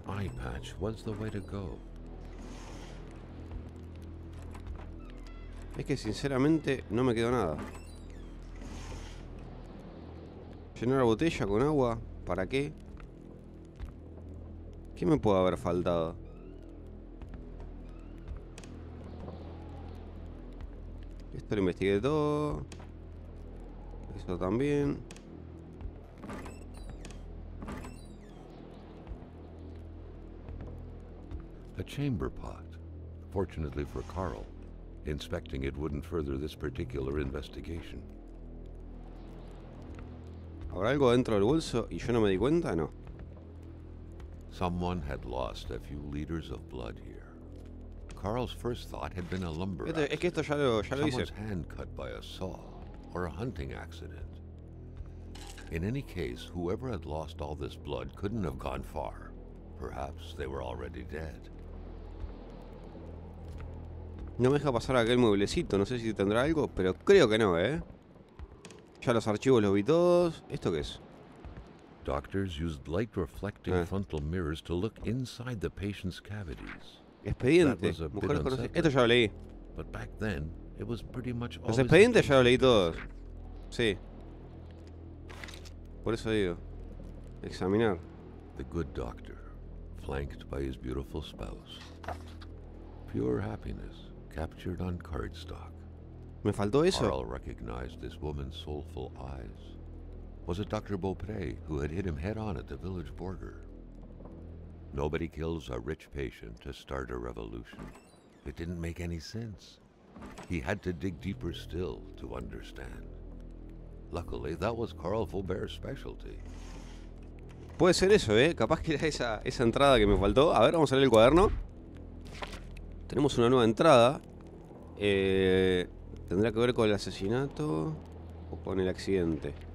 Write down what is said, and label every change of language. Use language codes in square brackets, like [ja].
[en] The eye patch was the way to go. [es] Es que sinceramente no me quedó nada. Llenar la botella con agua, ¿para qué? ¿Qué me puede haber faltado? Esto lo investigué todo. Esto también. [en] A chamber pot. Fortunately for Carl, inspecting it wouldn't further this particular investigation. [es] ¿Habrá algo dentro del bolso y yo no me di cuenta? No. [en] Someone had lost a few liters of blood here. Carl's first thought had been a lumber [es] accident. Es que esto ya lo hice. [en] Someone's hand cut by a saw or a hunting accident. In any case, whoever had lost all this blood couldn't have gone far. Perhaps they were already dead. [es] No me deja pasar aquel mueblecito. No sé si tendrá algo, pero creo que no, ¿eh? Ya los archivos los vi todos. ¿Esto qué es? [en] Doctors used light reflecting frontal mirrors to look inside the patient's cavities. [es] Expediente. Mujeres conocidas. Esto ya lo leí. [en] But back then, it was pretty much all. [es] Los expedientes ya lo leí todos. Sí. Por eso digo. Examinar. [en] The good doctor, flanked by his beautiful spouse. Pure happiness captured on cardstock. Me faltó eso. Carl recognized this woman's soulful eyes. Was it Dr. Beaupré who had hit him head-on at the village border? Nobody kills a rich patient to start a revolution. It didn't make any sense. He had to dig deeper still to understand. Luckily, that was Carl Faubert's specialty. [es] Puede ser eso, ¿eh? Capaz que era esa entrada que me faltó. A ver, vamos a leer el cuaderno. Tenemos una nueva entrada. Tendrá que ver con el asesinato o con el accidente.